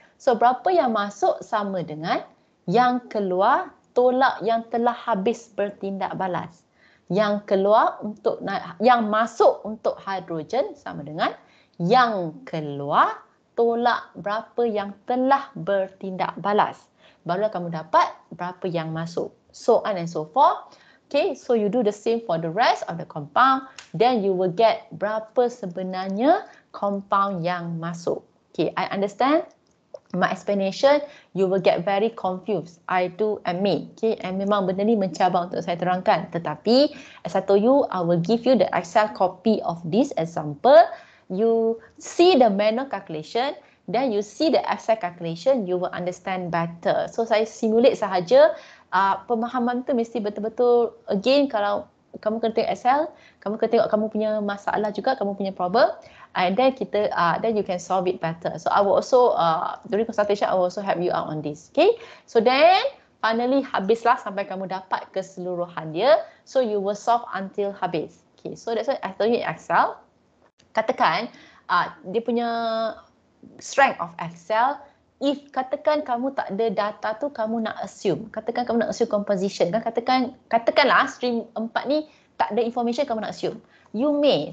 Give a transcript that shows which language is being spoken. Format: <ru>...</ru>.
<ms>So berapa yang masuk sama dengan yang keluar tolak yang telah habis bertindak balas. Yang keluar untuk, yang masuk untuk hidrogen sama dengan yang keluar tolak berapa yang telah bertindak balas. Barulah kamu dapat berapa yang masuk.</ms> <en>So on and so forth. Okay, so you do the same for the rest of the compound. Then you will get</en> <ms>berapa sebenarnya compound yang masuk.</ms> <en>Okay, I understand my explanation, you will get very confused. I do admit.</en> <ms>Okay, and memang benda ni mencabar untuk saya terangkan. Tetapi,</ms> <en>as I told you, I will give you the Excel copy of this example. You see the manual calculation, then you see the Excel calculation, you will understand better.</en> <ms>So, saya simulate sahaja. Pemahaman tu mesti betul-betul,</ms> <en>again,</en> <ms>kalau kamu kena tengok Excel, kamu kena tengok kamu punya masalah juga, kamu punya problem.</ms> <en>And then</en> <ms>kita,</ms> <en>then you can solve it better. So I will also, during consultation, I will also help you out on this. Okay, so then finally</en> <ms>habislah sampai kamu dapat keseluruhan dia.</ms> <en>So you will solve until</en> <ms>habis.</ms> <en>Okay, so that's why I told you in Excel.</en> <ms>Katakan, dia punya</ms> <en>strength of Excel, if</en> <ms>katakan kamu tak ada data tu, kamu nak assume. Katakan kamu nak assume composition. Kan? Katakanlah stream 4 ni tak ada information, kamu nak assume.</ms> <en>You may.</en>